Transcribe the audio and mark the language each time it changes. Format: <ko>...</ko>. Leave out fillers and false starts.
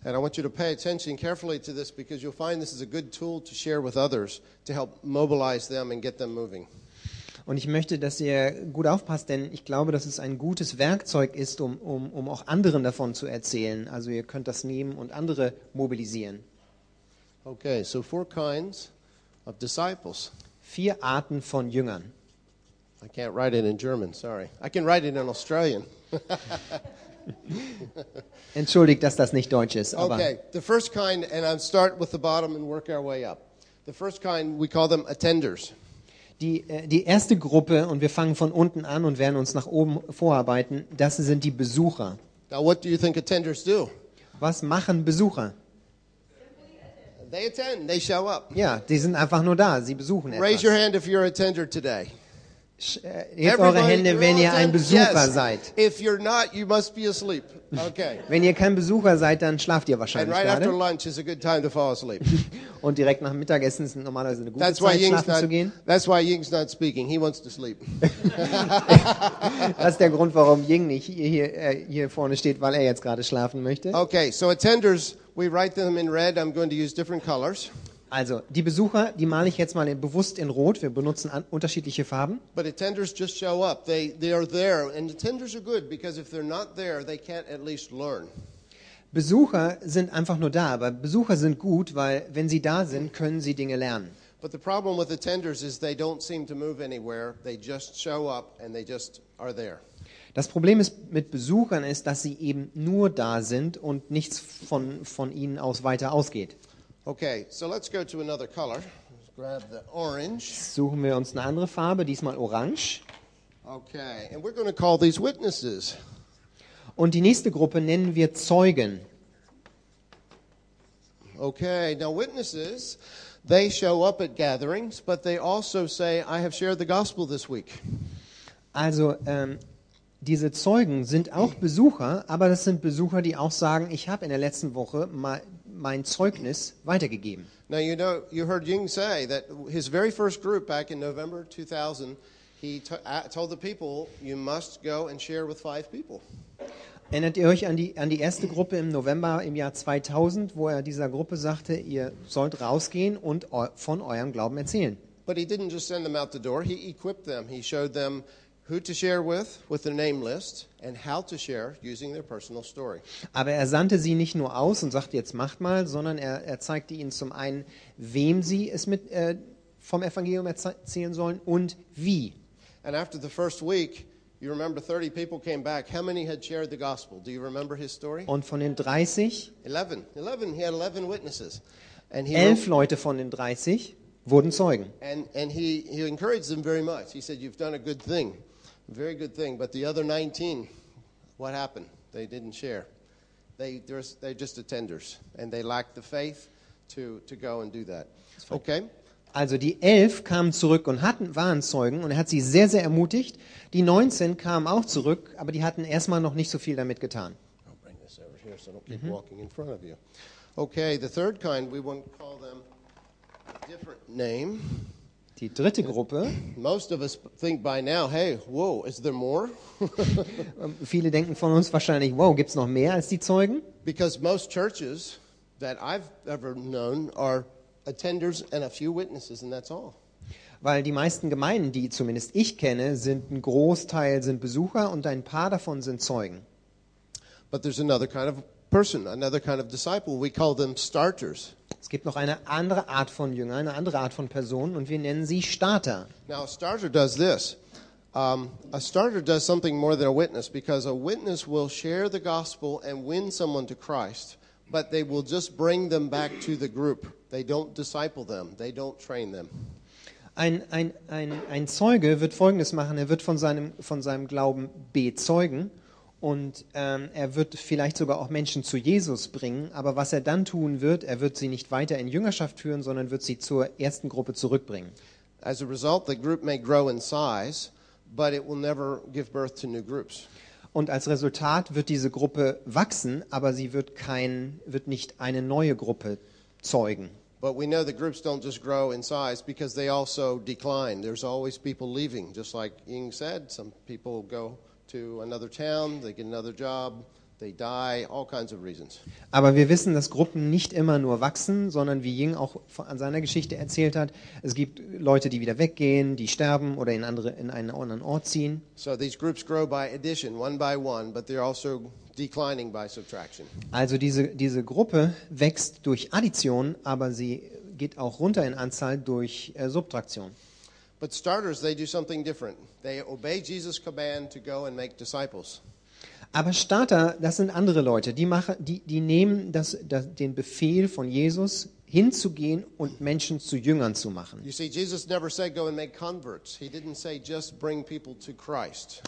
<en>And I want you to pay attention carefully to this because you'll find this is a good tool to share with others to help mobilize them and get them moving.</en> <de>Und ich möchte, dass ihr gut aufpasst, denn ich glaube, dass es ein gutes Werkzeug ist, um auch anderen davon zu erzählen. Also ihr könnt das nehmen und andere mobilisieren.</de> <en>Okay, so four kinds of disciples.</en> <de>Vier Arten von Jüngern.</de> <en>I can't write it in German, sorry. I can write it in Australian.</en> <de>Entschuldigt, dass das nicht Deutsch ist. Aber</de> <en>okay, the first kind, and I'll start with the bottom and work our way up. The first kind, we call them attenders.</en> <de>Die erste Gruppe, und wir fangen von unten an und werden uns nach oben vorarbeiten, das sind die Besucher.</de> <en>Now what do you think attenders do?</en> <de>Was machen Besucher?</de> <en>They attend, they show up.</en> <de>Ja, die sind einfach nur da, sie besuchen etwas.</de> <en>Raise your hand if you're a attender today.</en> <de>Hebt eure Hände, wenn ihr ein Besucher seid.</de> <en>If you're not, you must be asleep. Okay.</en> <de>Wenn ihr kein Besucher seid, dann schlaft ihr wahrscheinlich</de> <en>right</en> <de>gerade.</de> <en>After lunch is a good time to fall asleep.</en> <de>Und direkt nach Mittagessen ist normalerweise eine gute Zeit, schlafen zu gehen.</de> <en>That's why Ying's not speaking. He wants to sleep.</en> <de>Das ist der Grund, warum Ying nicht hier vorne steht, weil er jetzt gerade schlafen möchte.</de> <en>Okay, so attenders, we write them in red. I'm going to use different colors.</en> <de>Also, die Besucher, die male ich jetzt mal bewusst in Rot. Wir benutzen unterschiedliche Farben.</de> <en>But attenders just show up. They are there. And attenders are good, because if they're not there, they can't at least learn.</en> <de>Besucher sind einfach nur da, aber Besucher sind gut, weil wenn sie da sind, können sie Dinge lernen.</de> <en>But the problem with attenders is they don't seem to move anywhere. They just show up and they just are there.</en> <de>Das Problem ist mit Besuchern ist, dass sie eben nur da sind und nichts von ihnen aus weiter ausgeht.</de> <en>Okay, so let's go to another color. Let's grab the orange.</en> <de>Suchen wir uns eine andere Farbe, diesmal orange.</de> <en>Okay, and we're going to call these witnesses.</en> <de>Und die nächste Gruppe nennen wir Zeugen.</de> <en>Okay, now witnesses, they show up at gatherings, but they also say, I have shared the gospel this week.</en> <de>Also, diese Zeugen sind auch Besucher, aber das sind Besucher, die auch sagen, ich habe in der letzten Woche mal mein Zeugnis weitergegeben.</de> <en>Now you know, you heard Ying say that his very first group back in November 2000, he told the people, you must go and share with five people.</en> <de>Erinnert ihr euch an die erste Gruppe im November im Jahr 2000, wo er dieser Gruppe sagte, ihr sollt rausgehen und von eurem Glauben erzählen?</de> <en>But he didn't just send them out the door, he equipped them. He showed them who to share with the name list, and how to share using their personal story.</en> <de>Aber er sandte sie nicht nur aus und sagte, jetzt macht mal, sondern er zeigte ihnen zum einen, wem sie es mit vom Evangelium erzählen sollen und wie.</de> <en>And after the first week, you remember 30 people came back. How many had shared the gospel? Do you remember his story?</en> <de>Und von den 30?</de> <en>11. He had 11 witnesses. And he</en> <de>11 Leute von den 30 wurden Zeugen.</de> <en>And he encouraged them very much. He said, you've done a good thing. Very good thing. But the other 19, what happened? They didn't share. They're just attenders. And they lacked the faith to go and do that. Okay.</en> <de>Also die 11 kamen zurück und waren Zeugen und er hat sie sehr, sehr ermutigt. Die 19 kamen auch zurück, aber die hatten erstmal noch nicht so viel damit getan.</de> <en>I'll bring this over here so I don't keep walking in front of you. Okay, the third kind, we want to call them a different name.</en> <de>Die dritte Gruppe.</de> <en>Most of us think by now, hey, whoa, is there more?</en> <de>Viele denken von uns wahrscheinlich, wow, gibt's noch mehr als die Zeugen?</de> <en>Because most churches that I've ever known are attenders and a few witnesses, and that's all.</en> <de>Weil die meisten Gemeinden, die zumindest ich kenne, sind ein Großteil sind Besucher und ein paar davon sind Zeugen.</de> <en>But there's another kind of person, another kind of disciple. We call them starters.</en> <de>Es gibt noch eine andere Art von Jünger, eine andere Art von Person, und wir nennen sie Starter.</de> <en>Now a starter does this. A starter does something more than a witness, because a witness will share the gospel and win someone to Christ, but they will just bring them back to the group. They don't disciple them. They don't train them.</en> <de>Ein Zeuge wird Folgendes machen. Er wird von seinem Glauben bezeugen. Und er wird vielleicht sogar auch Menschen zu Jesus bringen, aber was er dann tun wird, er wird sie nicht weiter in Jüngerschaft führen, sondern wird sie zur ersten Gruppe zurückbringen.</de> <en>As a result, the group may grow in size, but it will never give birth to new groups.</en> <de>Und als Resultat wird diese Gruppe wachsen, aber sie wird nicht eine neue Gruppe zeugen.</de> <en>But we know the groups don't just grow in size, because they also decline. There's always people leaving, just like Ying said, some people go to another town, they get another job, they die, all kinds of reasons.</en> <de>Aber wir wissen, dass Gruppen nicht immer nur wachsen, sondern wie Ying auch an seiner Geschichte erzählt hat, es gibt Leute, die wieder weggehen, die sterben oder in einen anderen Ort ziehen.</de> <en>So these groups grow by addition, one by one, but they're also declining by subtraction.</en> <de>Also diese Gruppe wächst durch Addition, aber sie geht auch runter in Anzahl durch Subtraktion.</de> <en>But starters, they do something different. They obey Jesus' command to go and make disciples.</en> <de>Aber Starter, das sind andere Leute. Die nehmen den Befehl von Jesus, hinzugehen und Menschen zu Jüngern zu machen.</de> <en>You see, Jesus never said go and make converts. He didn't say just bring people to Christ.</en>